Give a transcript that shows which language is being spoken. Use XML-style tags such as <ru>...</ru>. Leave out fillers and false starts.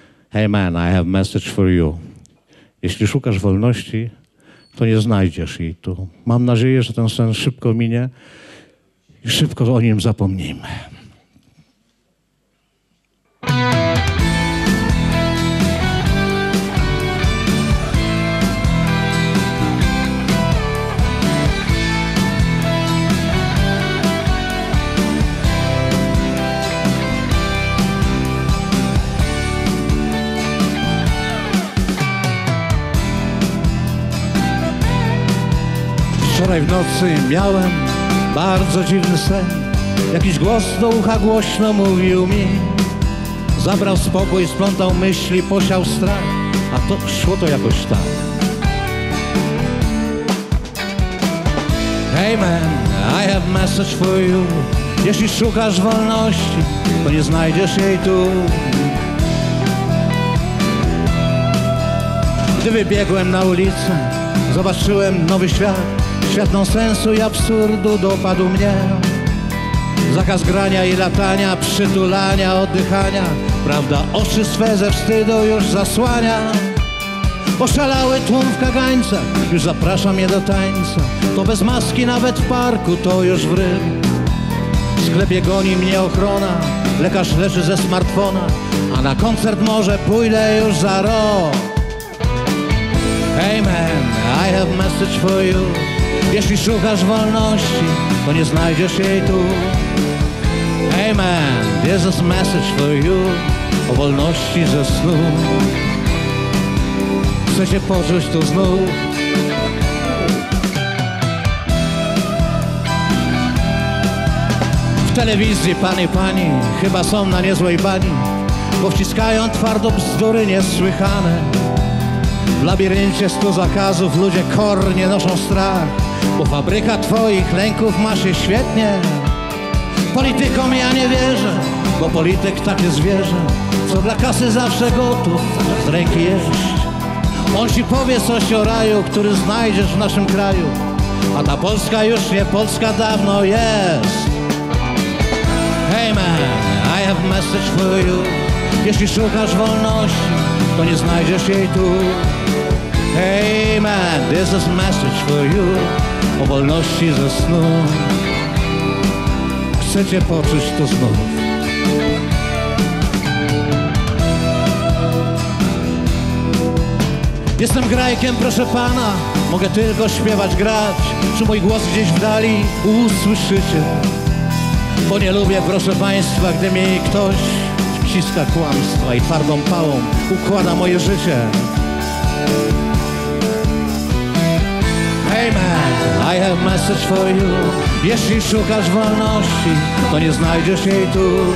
<en>Hey man, I have a message for you.</en> <pl>Jeśli szukasz wolności, to nie znajdziesz jej tu. Mam nadzieję, że ten sen szybko minie i szybko o nim zapomnijmy. Wczoraj w nocy miałem bardzo dziwny sen. Jakiś głos do ucha głośno mówił mi. Zabrał spokój, splątał myśli, posiał strach. A to szło to jakoś tak.</pl> <en>Hey man, I have a message for you.</en> <pl>Jeśli szukasz wolności, to nie znajdziesz jej tu. Gdy wybiegłem na ulicę, zobaczyłem nowy świat. Świat nonsensu i absurdu dopadł mnie. Zakaz grania i latania, przytulania, oddychania. Prawda, oczy swe ze wstydu już zasłania. Oszalały tłum w kagańcach, już zaprasza mnie do tańca. To bez maski nawet w parku, to już w rym. W sklepie goni mnie ochrona, lekarz leczy ze smartfona. A na koncert może pójdę już za rok.</pl> <en>Hey man, I have a message for you.</en> <pl>Jeśli szukasz wolności, to nie znajdziesz jej tu.</pl> <en>Hey man, there's a message for you.</en> <pl>O wolności ze snu. chcę się poczuć tu znów. W telewizji panie, pani chyba są na niezłej bani, bo wciskają twardo bzdury niesłychane. W labiryncie stu zakazów ludzie kornie noszą strach, bo fabryka twoich lęków ma się świetnie. Politykom ja nie wierzę, bo polityk takie zwierzę, co dla kasy zawsze gotów z ręki jeść. On ci powie coś o raju, który znajdziesz w naszym kraju, a ta Polska już nie Polska, dawno jest.</pl> <en>Hey man, I have message for you.</en> <pl>Jeśli szukasz wolności, to nie znajdziesz jej tu.</pl> <en>Hey man, this is message for you.</en> <pl>O wolności ze snu. Chcę cię poczuć to znów. Jestem grajkiem, proszę pana, mogę tylko śpiewać, grać. Czy mój głos gdzieś w dali usłyszycie? Bo nie lubię, proszę państwa, gdy mi ktoś wciska kłamstwa i twardą pałą układa moje życie.</pl> <en>Hey man, I have message for you.</en> <pl>Jeśli szukasz wolności, to nie znajdziesz jej tu.</pl>